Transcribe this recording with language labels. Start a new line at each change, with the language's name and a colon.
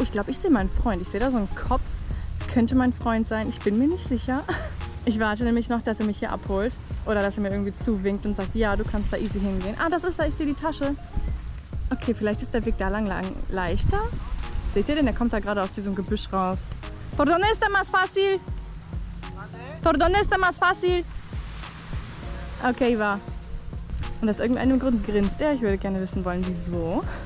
German: Oh, ich glaube, ich sehe meinen Freund. Ich sehe da so einen Kopf. Könnte mein Freund sein, ich bin mir nicht sicher. Ich warte nämlich noch, dass er mich hier abholt oder dass er mir irgendwie zuwinkt und sagt, ja, du kannst da easy hingehen. Ah, das ist er, ich sehe die Tasche. Okay, vielleicht ist der Weg da lang leichter. Seht ihr den? Der kommt da gerade aus diesem Gebüsch raus.
Spanish: Por donde está más fácil? Por donde está más fácil?
German: Okay, war. Und aus irgendeinem Grund grinst er. Ich würde gerne wissen wollen, wieso.